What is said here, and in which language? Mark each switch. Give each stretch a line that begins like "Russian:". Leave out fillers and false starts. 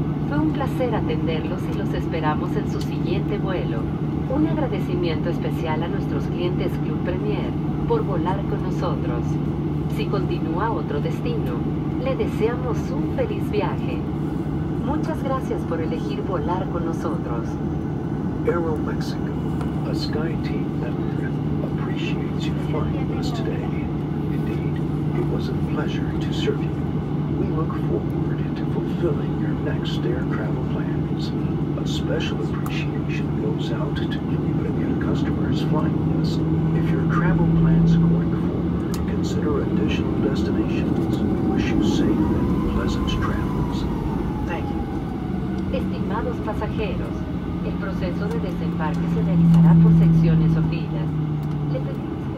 Spanish: Fue un placer atenderlos y los esperamos en su siguiente vuelo. Un agradecimiento especial a nuestros clientes Club Premier por volar con nosotros. Si continúa otro destino, le deseamos un feliz viaje. Muchas gracias por elegir volar con nosotros.
English: Aeroméxico, a SkyTeam member, appreciates you flying with us today. It was a pleasure to serve you. We look forward to fulfilling your next air travel plans. A special appreciation goes out to Club Premier customers flying with us. If your travel plans going forward, consider additional destinations. We wish you safe and pleasant travels. Thank you.
Spanish: Estimados pasajeros, el proceso de desembarque se realizará por secciones o filas.